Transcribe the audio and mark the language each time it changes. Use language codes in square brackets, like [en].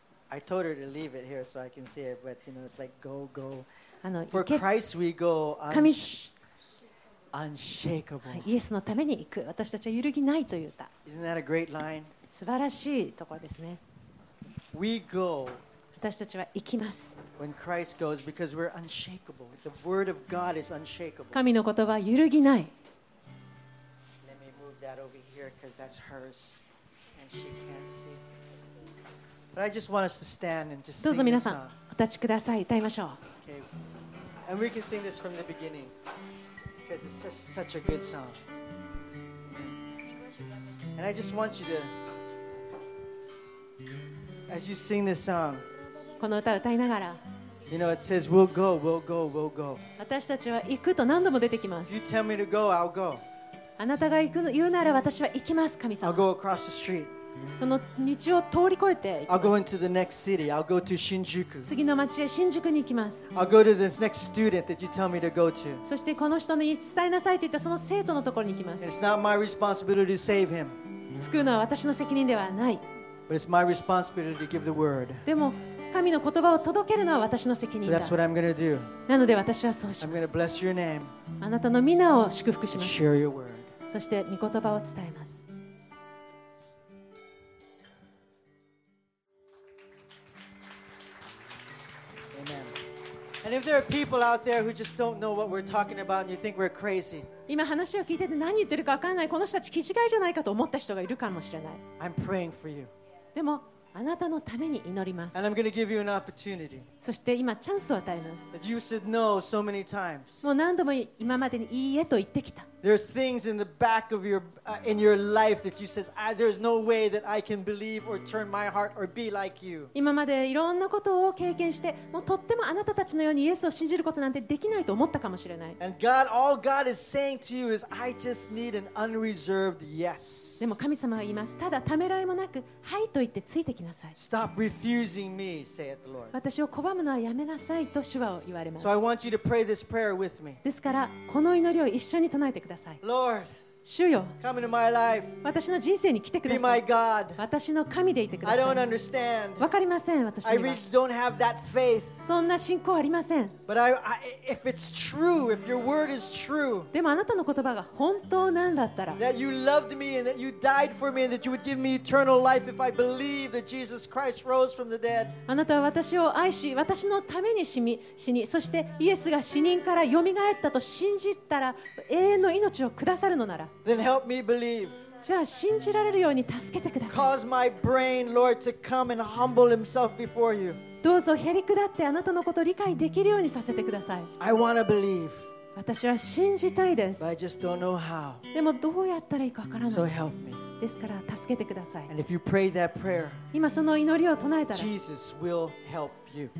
[en] I told her to leave it here so I can see it, but you know, it's like go go. For Christ we go unshakable. [ja] イエスのために行く私たちは揺るぎないという歌。 [en] Isn't that a great line? [ja] 素晴らしいところですね。 [en] We go. [ja] 私たちは行きます。 [en] When Christ goes, because we're unshakable. The word of God is unshakable. [ja] 神の言葉は揺るぎない。 [en] Let me move that over here because that's hers and she can't see. But I just want us to stand and just sing this song. [ja] どうぞ皆さんお立ちください。歌いましょう。 [en] Okay. And we can sing this from the beginning because it's just such a good song. And I just want you to. As you sing this song, [ja] この歌を歌いながら、 [en] you know, it says, we'll go, we'll go, we'll go. [ja] 私たちは行くと何度も出てきます。 [en] You tell me to go, I'll go. [ja] あなたが行くの言うなら私は行きます、神様。 [en] I'll go across the street. [ja] その道を通り越えて行きます。 [en] I'll go into the next city. I'll go to Shinjuku. [ja] 次の町へ新宿に行きます。 [en] I'll go to the next student that you tell me to go to. [ja] そしてこの人に伝えなさいと言ったその生徒のところに行きます。 [en] It's not my responsibility to save him. [ja] 救うのは私の責任ではない。 [en] But it's my responsibility to give the word. [ja] でも神の言葉を届けるのは私の責任だ。 [en] So that's what I'm going to do. [ja] なので私はそうします。 [en] I'm going to bless your name. [ja] あなたの名を祝福します。 [en] Share your word. [ja] そして御言葉を伝えます。 [en] Amen. And if there are people out there who just don't know what we're talking about and you think we're crazy. [ja] 今話を聞いてて何言ってるか分からない、この人たち気違いじゃないかと思った人がいるかもしれない。 [en] I'm praying for you. [ja] でもあなたのために祈ります。 [en] And I'm going to give you an opportunity. [ja] そして今チャンスを与えます。 [en] That you said no so many times. [ja] もう何度も今までにいいえと言ってきた。 [en] There's things in the back of your, in your life that you says, there's no way that I can believe or turn my heart or be like you. [ja] 今までいろんなことを経験して、もうとってもあなたたちのようにイエスを信じることなんてできないと思ったかもしれない。 [en] And God, all God is saying to you is, I just need an unreserved yes. [ja] でも神様は言います。ただためらいもなく、はいと言ってついてきなさい。 [en] Stop refusing me, saith the Lord. [ja] 私を拒むのはやめなさいと主は言われます。 [en] So I want you to pray this prayer with me. [ja] ですからこの祈りを一緒に唱えてください。 [en] Lord, [ja] 主よ、 [en] come into my life. [ja] 私の人生に来てください。 [en] Be my God. [ja] 私の神でいてください。 [en] I don't understand. [ja] わかりません、私には。 [en] I really don't have that faith. [ja] そんな信仰ありません。 [en] But if it's true, if your word is true, [ja] でもあなたの言葉が本当なんだったら、 [en] that you loved me and that you died for me and that you would give me eternal life if I believe that Jesus Christ rose from the dead. [ja] あなたは私を愛し、私のために死に、そしてイエスが死人から蘇ったと信じたら、永遠の命をくださるのなら、 [en] then help me believe. [ja] じゃあ信じられるように助けてください。 [en] Cause my brain, Lord, to come and humble himself before you. [ja] どうぞへりくだってあなたのことを理解できるようにさせてください。 [en] I wanna believe, [ja] 私は信じたいです。 [en] but I just don't know how. [ja] でもどうやったらいいかわからないです。 [en] So help me. [ja] ですから助けてください。 [en] And if you pray that prayer, [ja] 今その祈りを唱えたら [en] Jesus will help you.